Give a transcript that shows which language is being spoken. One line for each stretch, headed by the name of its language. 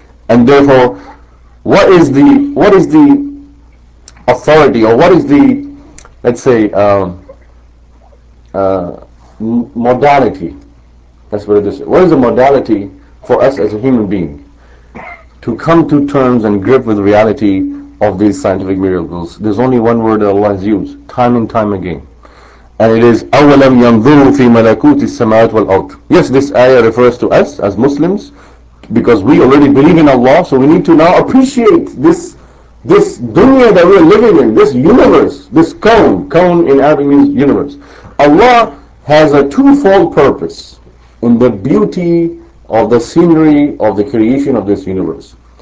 English: And therefore, what is the authority, or what is the, let's say, modality? That's what it is. What is the modality for us as a human being to come to terms and grip with the reality of these scientific miracles? There's only one word that Allah has used time and time again. And it is,
Arabic: أَوَلَمْ يَنْظُرُوا فِي مَلَكُوتِ السَّمَاوَاتِ وَالْأَرْضِ.
English: Yes, this ayah refers to us as Muslims, because we already believe in Allah, so we need to now appreciate this dunya that we are living in, this universe, this kaun. Kaun in Arabic means universe. Allah has a twofold purpose in the beauty of the scenery of the creation of this universe.